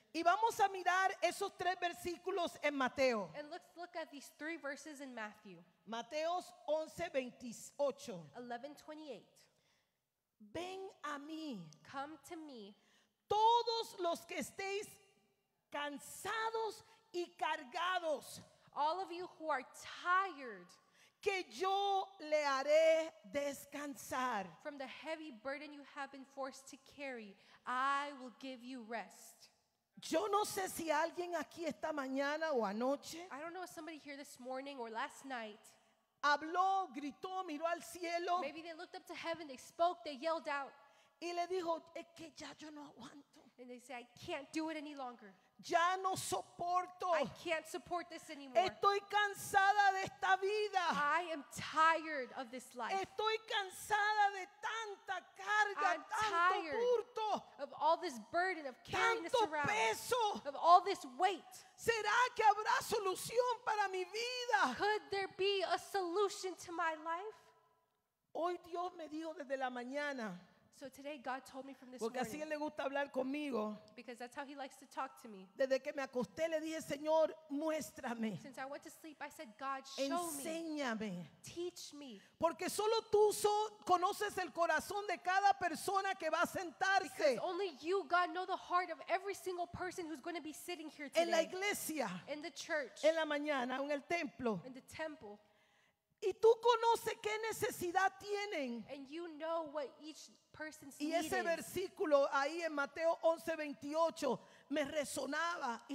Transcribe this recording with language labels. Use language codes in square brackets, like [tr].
[es] Y vamos a mirar esos tres versículos en Mateo. [en] And let's look at these three verses in Matthew. [es] Mateos 11:28. 11:28. Ven a mí. [en] Come to me. [es] Todos los que estéis cansados y cargados, [en] all of you who are tired, [es] que yo le haré descansar. [en] From the heavy burden you have been forced to carry, I will give you rest. [es] Yo no sé si alguien aquí esta mañana o anoche, [en] I don't know if somebody here this morning or last night, [es] habló, gritó, miró al cielo. [en] Maybe they looked up to heaven, they spoke, they yelled out. [es] Y le dijo, es que ya yo no aguanto. [en] And they say, I can't do it any longer. [es] Ya no soporto. [en] I can't support this anymore. [es] Estoy cansada de esta vida. [en] I am tired of this life. [es] Estoy cansada de tanta carga, [en] I'm [es] tanto burto. [en] Of all this burden of carrying [es] tanto [en] this around. [es] Peso. [en] Of all this weight. [es] ¿Será que habrá solución para mi vida? [en] Could there be a solution to my life? [es] Hoy Dios me dijo desde la mañana. [en] So today God told me from this [es] porque [en] morning. [es] Así le gusta hablar conmigo. [en] Because that's how he likes to talk to me. [es] Desde que me acosté le dije, Señor, muéstrame. [en] Since I went to sleep, I said, God, show [es] enséñame. [en] Me. Teach me. [es] Porque solo tú conoces el corazón de cada persona que va a sentarse. [en] Because only you, God, know the heart of every single person who's going to be sitting here today. [es] En la iglesia. [en] In the church. [es] En la mañana, en el templo. [en] In the temple. [es] Y tú conoces qué necesidad tienen. [en] And you know what each person's [es] y ese [en] needed. [es] Versículo ahí en Mateo 11:28 me resonaba y